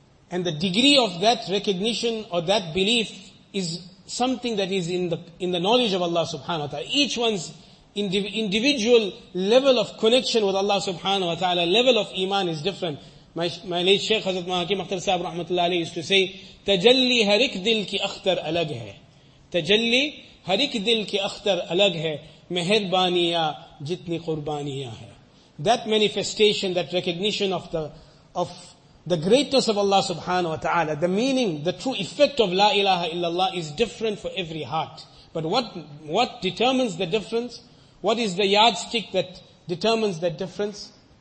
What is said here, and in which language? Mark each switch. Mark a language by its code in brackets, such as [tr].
[en] And the degree of that recognition or that belief is something that is in the knowledge of Allah subhanahu wa ta'ala. Each one's individual level of connection with Allah subhanahu wa ta'ala, level of iman is different. My late Shaykh Hazrat Mahakim Akhtar Sahib rahmatullahi alayhi used to say, [ur] تَجَلِّي هَرِكْ دِلْ كِي أَخْتَرْ أَلَغْ هَي تَجَلِّي هَرِكْ دِلْ كِي أَخْتَرْ أَلَغْ هَي مَهِرْبَانِيَا جِتْنِي قُرْبَانِيَا هَي. [en] That manifestation, that recognition of the greatness of Allah subhanahu wa ta'ala, the meaning, the true effect of La ilaha illallah is different for every heart. But what determines the difference? What is the yardstick that determines that difference?